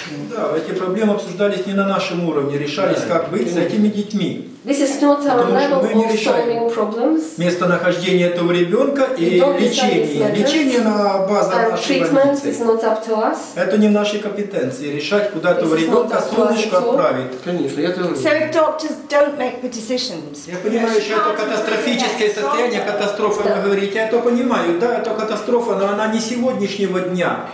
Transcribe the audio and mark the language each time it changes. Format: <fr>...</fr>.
<ru>Да, эти проблемы обсуждались не на нашем уровне, решались, как быть с этими детьми.</ru> <en>This is not our level of solving problems.</en> <ru>Местонахождение этого ребенка и лечение. Лечение на базе нашей больницы. Это не в нашей компетенции, решать, куда этого ребенка солнышко отправить. Конечно, я тоже.</ru> <en>So if doctors don't make the decisions.</en> <ru>Я понимаю, что это катастрофическое состояние, катастрофа, вы говорите. Я это понимаю, да, это катастрофа, но она не сегодняшнего дня.</ru>